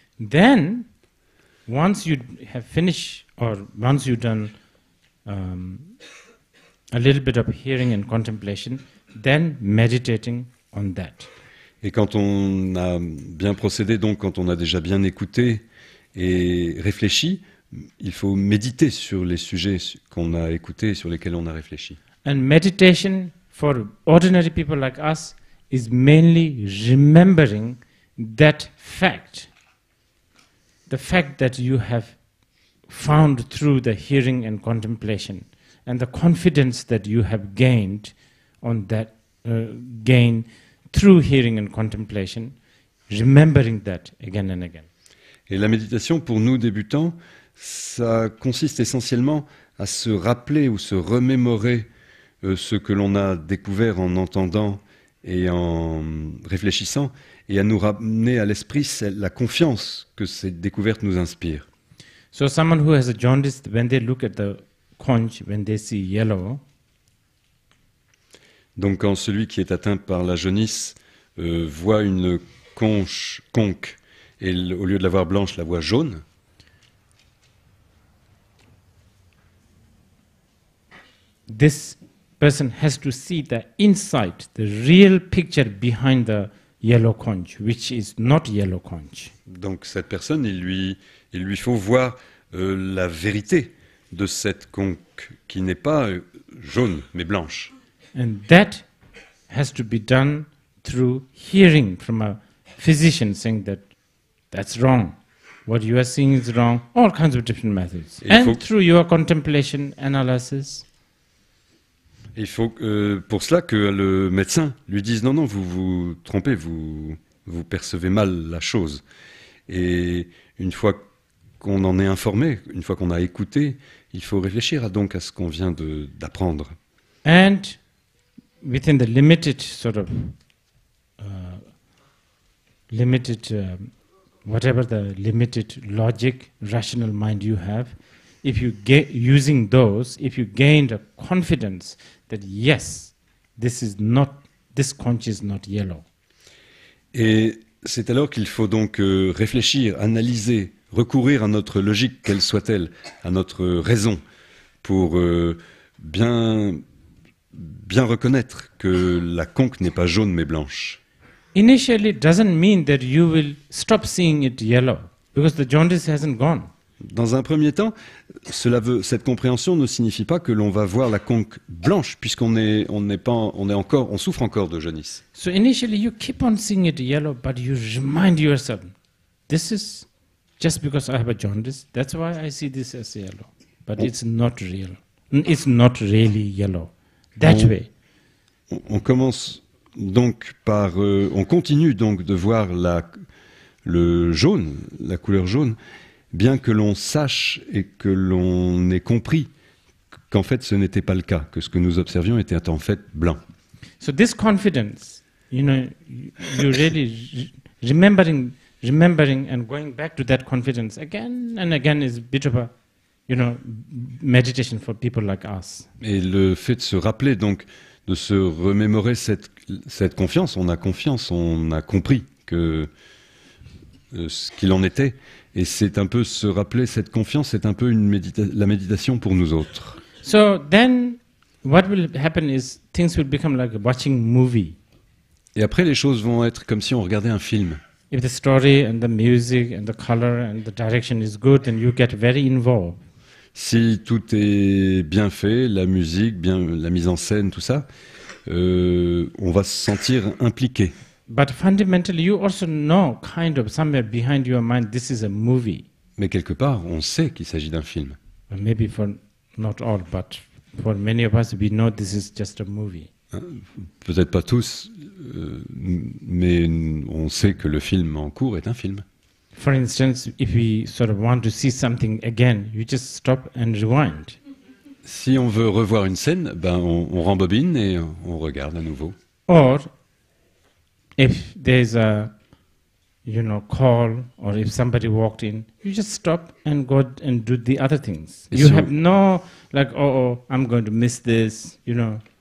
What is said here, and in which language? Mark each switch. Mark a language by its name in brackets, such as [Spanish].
[English] Then, once you have finished, or once you've done a little bit of hearing and contemplation, then meditating on that. [French] Et quand on a bien procédé, donc quand on a déjà bien écouté et réfléchi, il faut méditer sur les sujets qu'on a écoutés et sur lesquels on a réfléchi. [English] And meditation for ordinary people like us is mainly remembering that fact. The fact that you have found through the hearing and contemplation and the confidence that you have gained on that gain through hearing and contemplation, remembering that again and again. [French] Et la méditation pour nous débutants, ça consiste essentiellement à se rappeler ou se remémorer ce que l'on a découvert en entendant et en réfléchissant, et à nous ramener à l'esprit la confiance que ces découvertes nous inspirent. [English] So someone who has a jaundice, when they look at the conch, when they see yellow. [French] Donc quand celui qui est atteint par la jaunisse voit une conque et au lieu de la voir blanche, la voit jaune. [English] This person has to see the inside, the real picture behind the yellow conch, which is not yellow conch. [French] Donc cette personne, il lui faut voir la vérité de cette conque qui n'est pas jaune mais blanche. [English] And that has to be done through hearing from a physician saying that that's wrong. What you are seeing is wrong. All kinds of different methods. And through your contemplation analysis. [French] Il faut pour cela que le médecin lui dise non, vous vous trompez, vous percevez mal la chose. Et une fois qu'on en est informé, une fois qu'on a écouté, il faut réfléchir à ce qu'on vient d'apprendre. [English] And within the limited sort of limited whatever the limited logic rational mind you have, if you get using those, if you gain the confidence that yes, this conch is not yellow. [French] Et c'est alors qu'il faut donc réfléchir, analyser, recourir à notre logique, quelle soit-elle, à notre raison, pour bien reconnaître que la conque n'est pas jaune mais blanche. [English] Initially, it doesn't mean that you will stop seeing it yellow, because the jaundice hasn't gone. [French] Dans un premier temps, cette compréhension ne signifie pas que l'on va voir la conque blanche, puisqu'on on souffre encore de jaunisse. [English] So initially, you keep on seeing it yellow, but you remind yourself, this is just because I have a jaundice. That's why I see this as yellow, but it's not real. It's not really yellow. That way. [French] On commence donc par, on continue donc de voir la couleur jaune. Bien que l'on sache et que l'on ait compris qu'en fait ce n'était pas le cas, que ce que nous observions était en fait blanc. [English] So this confidence, you know, you really remembering and going back to that confidence again and again is a bit of a, you know, meditation for people like us. [French] Et le fait de se rappeler donc, de se remémorer cette cette confiance, on a confiance, on a compris que ce qu'il en était. Et c'est un peu se rappeler cette confiance, c'est un peu une la méditation pour nous autres. [English] So then, what will happen is things will become like watching a movie. [French] Et après, les choses vont être comme si on regardait un film. [English] If the story and the music and the color and the direction is good, then you get very involved. [French] Si tout est bien fait, la musique, bien, la mise en scène, tout ça, on va se sentir impliqué. [English] But fundamentally, you also know, kind of, somewhere behind your mind, this is a movie. [French] Mais quelque part, on sait qu'il s'agit d'un film. [English] Maybe for not all, but for many of us, we know this is just a movie. [French] Peut-être pas tous, mais on sait que le film en cours est un film. [English] For instance, if we sort of want to see something again, you just stop and rewind. [French] Si on veut revoir une scène, ben on rembobine et on regarde à nouveau. [English] Or, if there's a, you know, call, or if somebody walked in, you just stop and go and do the other things. Et you si have on... no, like, oh, I'm going to miss this, you know.